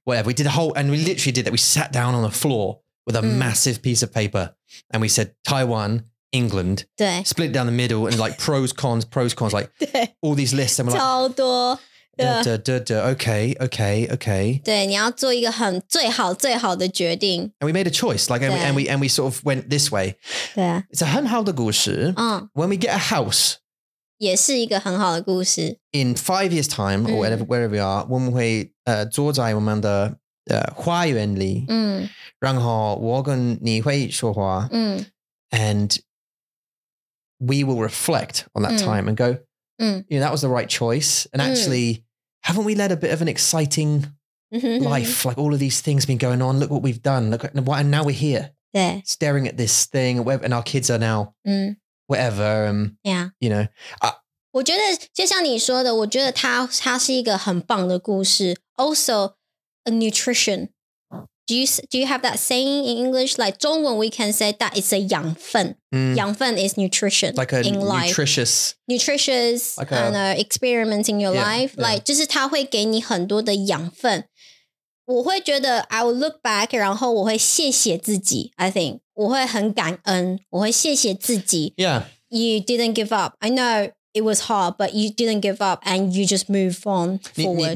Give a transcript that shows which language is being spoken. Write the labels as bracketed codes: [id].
[en] whatever. We did a whole, and we literally did that. We sat down on the floor with a massive piece of paper and we said, Taiwan, England, split down the middle and like pros, cons, like all these lists. And we're [zh] 超多, [en] like, duh, duh, duh, duh, okay. [zh] 对, 你要做一个很最好最好的决定。 [en] And we made a choice, like, and we sort of went this way. Yeah. It's a [zh] 很好的故事. [en] When we get a house, [zh] 也是一个很好的故事。 [en] In 5 years' time, or wherever we are, [zh] 我们会坐在我们的花园里，然后我跟你会说话， [en] and we will reflect on that time and go, you know, that was the right choice. And actually, haven't we led a bit of an exciting life? Like all of these things been going on. Look what we've done. Look what, and now we're here, staring at this thing, and our kids are now. Whatever, you know. [zh] 我觉得就像你说的，我觉得它是一个很棒的故事。 [en] Also, a nutrition. Do you have that saying in English? Like 中文 we can say that it's a 养分。养分 is nutrition. Like a in life. Nutritious. Like a, and a experiment in your life. Yeah, like [zh] 就是它会给你很多的养分。我会觉得 [en] I will look back, [zh] 然后我会谢谢自己 [en] I think. [zh] 我会很感恩，我会谢谢自己。 [en] Yeah. You didn't give up. I know it was hard, but you didn't give up and you just move on forward.